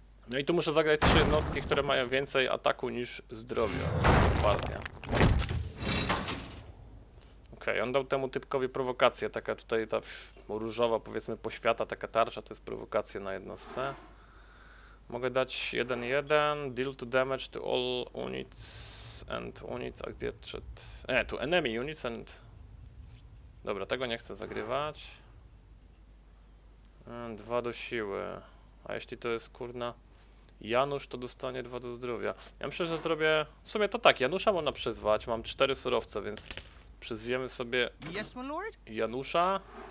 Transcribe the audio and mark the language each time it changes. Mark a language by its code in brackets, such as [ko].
[pl] No i tu muszę zagrać trzy jednostki, które mają więcej ataku niż zdrowia. Partia. Okej, okay, on dał temu typkowi prowokację, taka tutaj ta różowa, powiedzmy, poświata, taka tarcza, to jest prowokacja na jednostce. Mogę dać 1-1. [en] Deal to damage to all units and units adjacent. [pl] Nie, [en] to enemy units and. [pl] Dobra, tego nie chcę zagrywać. 2 do siły. A jeśli to jest kurna Janusz, to dostanie 2 do zdrowia. Ja myślę, że zrobię. W sumie to tak, Janusza można przyzwać. Mam 4 surowce, więc przyzwiemy sobie Janusza.